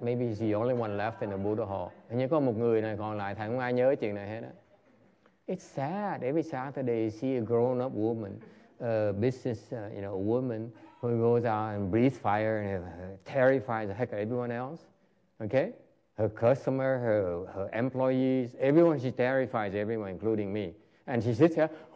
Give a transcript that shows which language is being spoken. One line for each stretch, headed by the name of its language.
English: Maybe he's the only one left in the Buddha hall.
Vietnamese: Nhưng có một người này còn lại, thầy không ai nhớ chuyện này hết á.
English: It's sad. Every Saturday you see a grown-up woman, a business, you know, a woman who goes out and breathes fire and terrifies the heck of everyone else. Okay? Her customer, her employees, everyone, she terrifies everyone, including me. And she sits here.